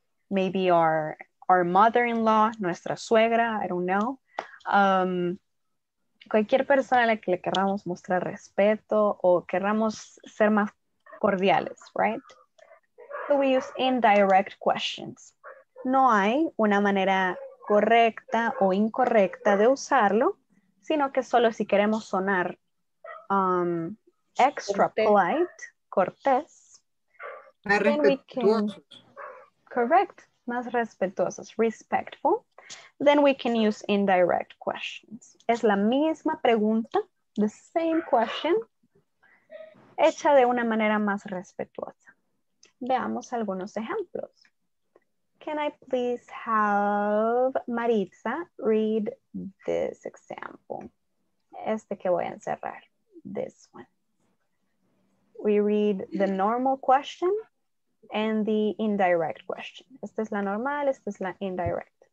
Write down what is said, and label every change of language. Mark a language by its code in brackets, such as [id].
[en] Maybe our mother-in-law, [es] nuestra suegra, [en] I don't know. [es] Cualquier persona a la que le querramos mostrar respeto o querramos ser más cordiales, right? [en] So we use indirect questions. [es] No hay una manera correcta o incorrecta de usarlo, sino que solo si queremos sonar [en] extra polite, [es] cortés, [en] then we can, correct, [es] más respetuosos, [en] respectful, then we can use indirect questions. [es] Es la misma pregunta, [en] the same question, [es] hecha de una manera más respetuosa. Veamos algunos ejemplos. [en] Can I please have Maritza read this example? [es] Este que voy a encerrar, [en] this one. We read the normal question and the indirect question. [es] Esta es la normal, esta es la indirect.